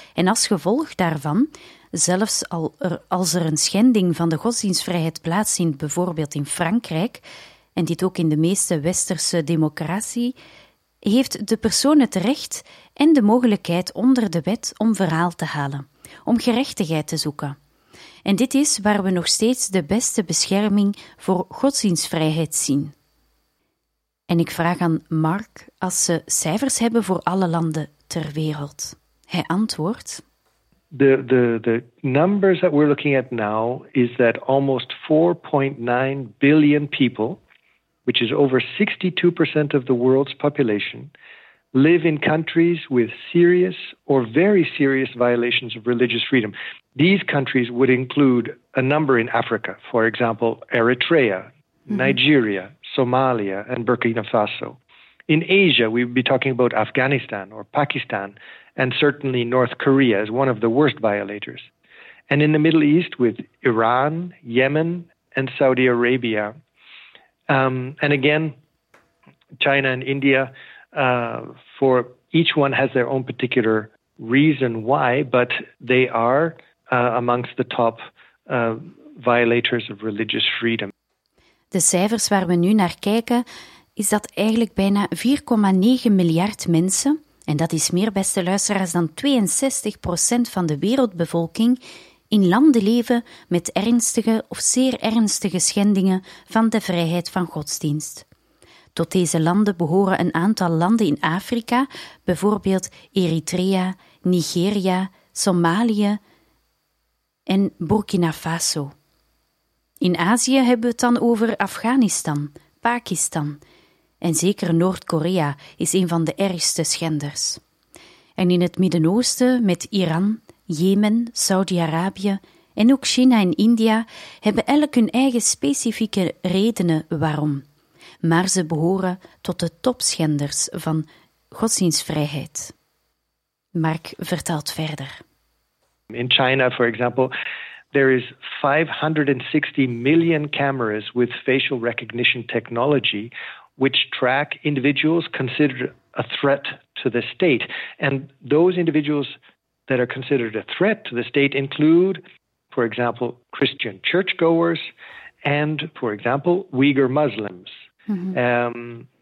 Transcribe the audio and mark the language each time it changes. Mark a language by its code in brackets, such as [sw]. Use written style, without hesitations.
[nl] En als gevolg daarvan, zelfs als er een schending van de godsdienstvrijheid plaatsvindt, bijvoorbeeld in Frankrijk, en dit ook in de meeste westerse democratie, heeft de persoon het recht en de mogelijkheid onder de wet om verhaal te halen, om gerechtigheid te zoeken. En dit is waar we nog steeds de beste bescherming voor godsdienstvrijheid zien. En ik vraag aan Mark als ze cijfers hebben voor alle landen ter wereld. Hij antwoordt. [en] The numbers that we're looking at now is that almost 4.9 billion people, which is over 62% of the world's population, live in countries with serious or very serious violations of religious freedom. These countries would include a number in Africa, for example, Eritrea, mm-hmm. Nigeria, Somalia, and Burkina Faso. In Asia, we'd be talking about Afghanistan or Pakistan, and certainly North Korea is one of the worst violators. And in the Middle East, with Iran, Yemen, and Saudi Arabia. And again, China and India, for each one has their own particular reason why, but they are amongst the top violators of religious freedom. [nl] De cijfers waar we nu naar kijken, is dat eigenlijk bijna 4,9 miljard mensen, en dat is meer, beste luisteraars, dan 62% van de wereldbevolking, in landen leven met ernstige of zeer ernstige schendingen van de vrijheid van godsdienst. Tot deze landen behoren een aantal landen in Afrika, bijvoorbeeld Eritrea, Nigeria, Somalië en Burkina Faso. In Azië hebben we het dan over Afghanistan, Pakistan en zeker Noord-Korea is een van de ergste schenders. En in het Midden-Oosten met Iran, Jemen, Saudi-Arabië en ook China en India hebben elk hun eigen specifieke redenen waarom. Maar ze behoren tot de topschenders van godsdienstvrijheid. Mark vertelt verder. [en] In China, for example, there is 560 million cameras with facial recognition technology which track individuals considered a threat to the state. And those individuals that are considered a threat to the state include, for example, Christian churchgoers and, for example, Uyghur Muslims. Mm-hmm.